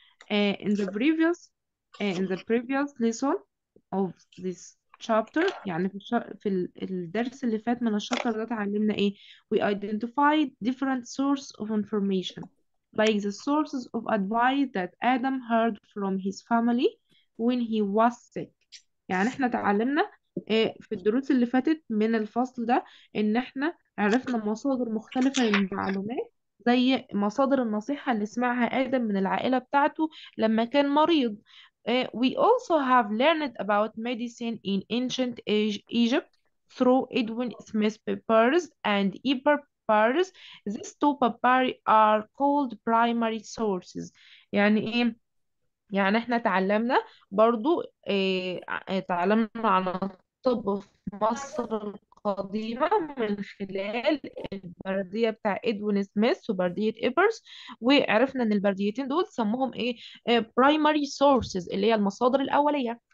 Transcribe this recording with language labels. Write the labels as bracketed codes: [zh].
[en] In the previous lesson of this chapter, [ar] يعني في الدرس اللي فات من الشابتر ده اتعلمنا إيه؟ [en] We identified different sources of information like the sources of advice that Adam heard from his family when he was sick. [ar] يعني احنا اتعلمنا في الدروس اللي فاتت من الفصل ده ان احنا عرفنا مصادر مختلفة للمعلومات، زي مصادر النصيحة اللي سمعها آدم من العائلة بتاعته لما كان مريض. [en] We also have learned about medicine in ancient Egypt through Edwin Smith papers and Eber papers. These two papyri are called primary sources. [ar] يعني ايه؟ يعني احنا تعلمنا برضو تعلمنا عن الطب في مصر القديمة من خلال البردية بتاع ادوين سميث وبردية ايبرس، وعرفنا ان البرديتين دول سموهم ايه؟ primary sources اللي هي المصادر الأولية.